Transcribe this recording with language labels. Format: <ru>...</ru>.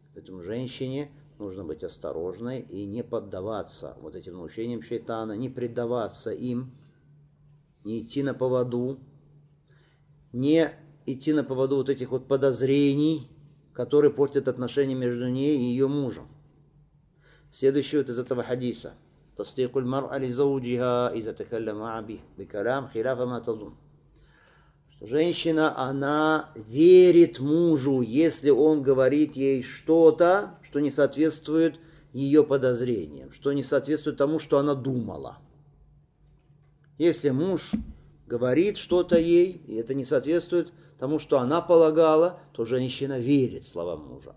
<ru>Поэтому женщине нужно быть осторожной и не поддаваться вот этим наущениям шайтана, не предаваться им, не идти на поводу, не идти на поводу вот этих вот подозрений, которые портят отношения между ней и ее мужем. Следующий вот из этого хадиса.</ru> <ar>تصديق المرأة لزوجها إذا تكلم بكلام خلاف ما تظن.</ar> <ru>Женщина, она верит мужу, если он говорит ей что-то, что не соответствует ее подозрениям, что не соответствует тому, что она думала. Если муж говорит что-то ей, и это не соответствует тому, что она полагала, то женщина верит словам мужа.</ru>